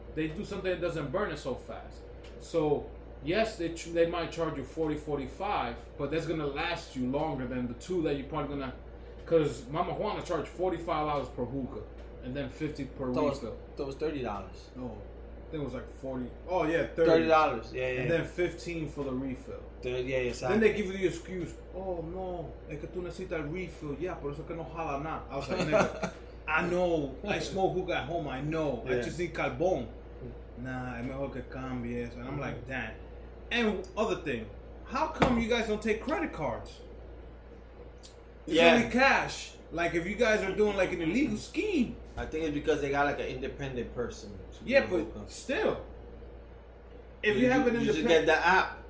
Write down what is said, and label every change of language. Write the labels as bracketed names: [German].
[English] They do something that doesn't burn it so fast. So, yes, they might charge you $40-$45, but that's going to last you longer than the two that you're probably going to... Because Mama Juana charged $45 per hookah and then $50 per refill. That was $30. No. I think it was like 40. Oh, yeah, 30. $30, yeah. And then 15 for the refill. Exactly. Then they give you the excuse. Oh, no. [Spanish] Es que tú necesitas refill. Yeah, por eso que no jala nada. [English] I was like, nigga, I know. I smoke hookah at home. I know. Yeah. I just need carbón. [Spanish] Nah, es mejor que cambies. [English] And I'm like, damn. And other thing. How come you guys don't take credit cards? It's only cash. Like, if you guys are doing, like, an illegal scheme. I think it's because they got, like, an independent person. Still. If you have an independent... You just get the app.